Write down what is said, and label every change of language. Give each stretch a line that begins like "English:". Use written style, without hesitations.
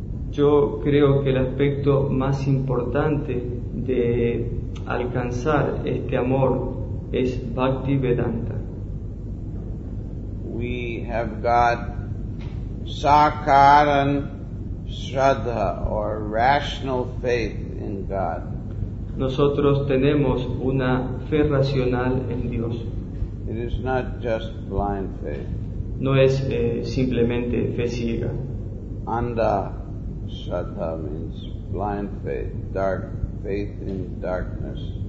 Spanish: Yo creo que el aspecto más importante de alcanzar este amor es Bhakti Vedanta.
English: We have got Sakaran Shraddha or rational faith in God.
Spanish: Nosotros tenemos una fe racional en Dios.
English: It is not just blind faith.
Spanish: No es simplemente fe ciega.
English: Andha Shraddha means blind faith, dark faith in darkness.